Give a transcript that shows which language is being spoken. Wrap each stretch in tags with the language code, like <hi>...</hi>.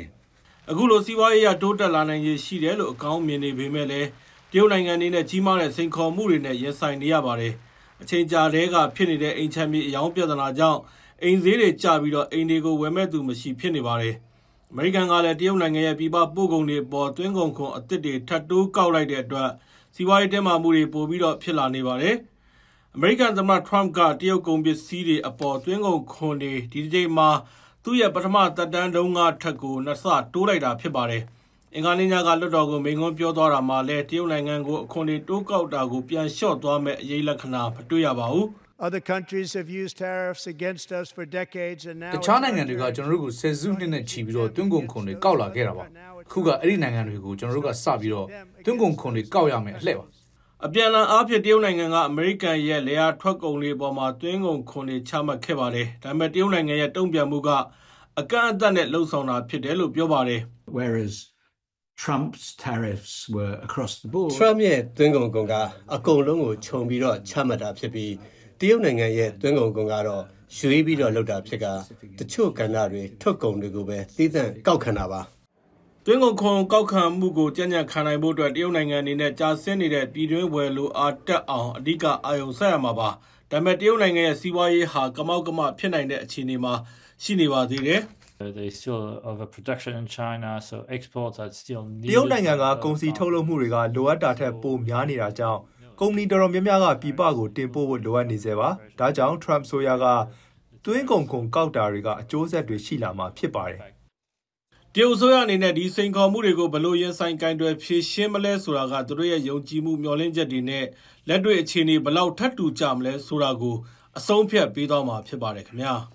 <my>အခုလိုစီးပွားရေးကတိုးတက်လာနိုင်ရည်ရှိတယ်လို့အကောင်းမြင်နေပေမဲ့လည်းတရုတ်နိုင်ငံနေနဲ့ကြီးမားတဲ့စိန်ခေါ်မှုတွေနဲ့ရင်ဆိုင်နေရပါတယ်အချိန်ကြာတဲ့ကဖြစ်နေတဲ့အိမ်ချမ်းမြေအယောင်ပြဿနာကြောင့်အိမ်ဈေးတွေကျပြီးတော့အိမ်တွေကိုဝယ်မဲ့သူမရှိဖြစ်နေပါတယ်အမေရိကန်ကလည်းတရုတ်နိုင်ငံရဲ့ပြည်ပပို့ကုန်တွေပေါ်သွင်းကုန်ခွန်အစ်စ်တွေထပ်တိုးကောက်လိုက်တဲ့အတွက်စီးပွားရေးတက်မှမှုတွေပိုပြီးတော့ဖြစ်လာနေပါတယ်။အမေရိကန်သမ္မတထရမ့်ကတရုတ်ကုန်ပစ္စည်းတွေအပေါ်သွင်းကုန်ခွန်တွေဒီတစ်ချိန်မှာ သူ့ရဲ့ပထမသက်တမ်းဒုံးကားထက်ကိုနှစ်ဆတိုးလိုက်တာဖြစ်ပါတယ်။အင်္ဂါနေ့ညကလွတ်တော်ကမိန်ကွန်းပြောသွားတာမှလည်းတရုတ်နိုင်ငံကိုအခွန်တွေတိုးကောက်တာကိုပြန်လျှော့သွားမဲ့အရေးလက္ခဏာမတွေ့ရပါဘူး။</my> <en>Other countries have used tariffs against us for decades and now</en> <my>တခြားနိုင်ငံတွေကကျွန်တော်တို့ကိုဆယ်စုနှစ်နဲ့ချီပြီးတော့တွင်ကုန်ခွန်တွေကောက်လာခဲ့တာပါအခုကအဲ့ဒီနိုင်ငံတွေကိုကျွန်တော်တို့ကစပြီးတော့တွင်ကုန်ခွန်တွေကောက်ရမယ်အလှည့်ပါအပြန်လန်အားဖြင့်တရုတ်နိုင်ငံကအမေရိကန်ရဲ့လေယာထွက်ကုန်တွေအပေါ်မှာတွင်ကုန်ခွန်တွေချမှတ်ခဲ့ပါတယ်ဒါပေမဲ့တရုတ်နိုင်ငံရဲ့တုံ့ပြန်မှုကအကန့်အသတ်နဲ့လှုံ့ဆော်တာဖြစ်တယ်လို့ပြောပါတယ်</my> <en>Whereas Trump's tariffs were across the board</en> <my>Trump ရဲ့တွင်ကုန်ခွန်ကအကုန်လုံးကိုခြုံပြီးတော့ချမှတ်တာဖြစ်ပြီးတရုတ်နိုင်ငံရဲ့တွင်းကုန်ကတော့ရွှေ့ပြီးတော့လောက်တာဖြစ်ကတချို့ကဏ္ဍတွေထုတ်ကုန်တွေကိုပဲသိသန့်ကောက်ခံတာပါတွင်းကုန်ခွန်ကောက်ခံမှုကိုကြံ့ကြံ့ခံနိုင်ဖို့အတွက်တရုတ်နိုင်ငံအနေနဲ့ကြာဆင်းနေတဲ့ပြည်တွင်းဝယ်လိုအားတက်အောင်အဓိကအာရုံစိုက်ရမှာပါဒါပေမဲ့တရုတ်နိုင်ငံရဲ့စီးပွားရေးဟာကမောက်ကမဖြစ်နိုင်တဲ့အခြေအနေမှာရှိနေပါသေးတယ်</my> <en>They still have a production in China, so exports are still needed.</en> <my>တရုတ်နိုင်ငံကကုန်စည်ထုတ်လုပ်မှုတွေကလိုအပ်တာထက်ပိုများနေတာကြောင့်ကုမ္ပဏီတော်တော်များများကပြည်ပကိုတင်ပို့ဖို့လိုအပ်နေစေပါ။ဒါကြောင့် Trump ဆိုရာကသွင်းကုန်ခွန်ကောက်တာတွေကအကျိုးဆက်တွေရှိလာမှာဖြစ်ပါတယ်။တရုတ်ဆိုရာအနေနဲ့ဒီစိန်ခေါ်မှုတွေကိုဘလို့ရင်ဆိုင်ကင်တွယ်ဖြေရှင်းမလဲဆိုတာကသူတို့ရဲ့ယုံကြည်မှုမျှော်လင့်ချက်တွေနဲ့လက်တွေ့အခြေအနေဘလောက်ထပ်တူကြမလဲဆိုတာကိုအဆုံးဖြတ်ပေးသွားမှာဖြစ်ပါတယ်ခင်ဗျာ</my>